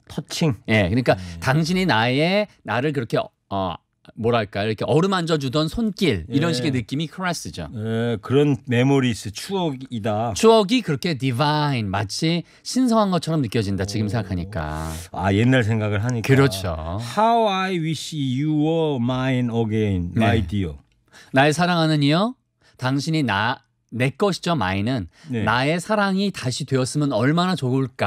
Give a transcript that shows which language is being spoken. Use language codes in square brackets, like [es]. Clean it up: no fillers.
[ko] 터칭. 예, 그러니까 당신이 나를 그렇게 어 뭐랄까 이렇게 어루만져 주던 손길 이런 예. 식의 느낌이 caress죠. 예, 그런 메모리스 추억이다. 추억이 그렇게 divine 마치 신성한 것처럼 느껴진다. 오. 지금 생각하니까. 아 옛날 생각을 하니까. 그렇죠. [en] How I wish you were mine again, my [ko] 네. [en] dear. [ko] 나의 사랑하는 이요. 당신이 내 것이죠, mine은. 네. 나의 사랑이 다시 되었으면 얼마나 좋을까.